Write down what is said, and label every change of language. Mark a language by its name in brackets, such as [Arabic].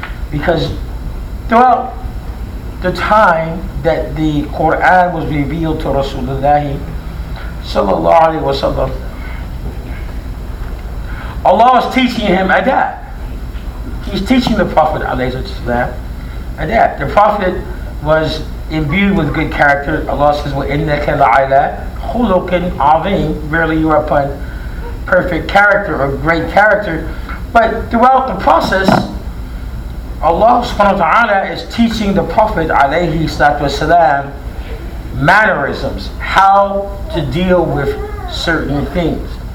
[English] Because throughout the time that the Quran was revealed to Rasulullah sallallahu alayhi wasallam, Allah is teaching him adab. He's teaching the Prophet alayhi salam adab. The Prophet was imbued with good character. Allah says, [Arabic] وَإِنَّكَ لَعَلَىٰ خُلُقٍ عَظِيمٍ. [English] Verily you are upon perfect character or great character. But throughout the process, Allah subhanahu wa ta'ala is teaching the Prophet alayhi salam mannerisms, how to deal with certain things.